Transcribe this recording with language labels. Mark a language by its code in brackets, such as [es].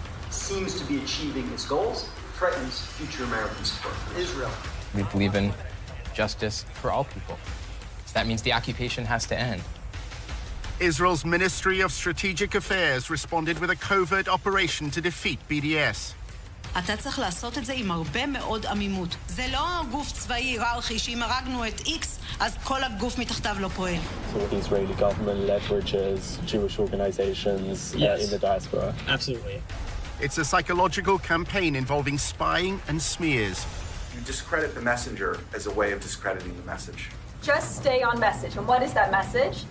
[en] Seems to be achieving its goals, threatens future American support for Israel. We believe in justice for all people. So that means the occupation has to end. Israel's Ministry of Strategic Affairs responded with a covert operation to defeat BDS. [he] אתה צריך לעשות את זה עם הרבה מאוד עמימות. זה לא גוף צבאי היררכי שאם הרגנו את X, אז כל הגוף מתחתיו לא פועל. [en] So the Israeli government leverages Jewish organizations in the diaspora. Absolutely. It's a psychological campaign involving spying and smears. You discredit the messenger as a way of discrediting the message. Just stay on message. And what is that message?